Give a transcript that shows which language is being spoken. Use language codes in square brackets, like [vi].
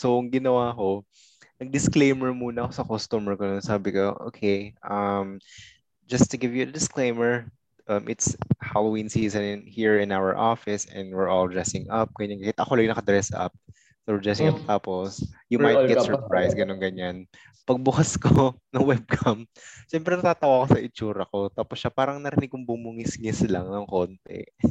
[tl] So ang ginawa ko, nag-disclaimer muna ako sa customer ko. Sabi ko, [en] okay, just to give you a disclaimer, it's Halloween season here in our office and we're all dressing up. [tl] Kanya-kanya ako lang naka-dress up. [en] Or just [tl] yung tapos. [en] You might get surprised, [tl] ganun ganyan. Pagbukas ko ng webcam, siyempre natatawa ko sa itsura ko. Tapos siya parang narinig kong bumungis-ngis lang ng konti.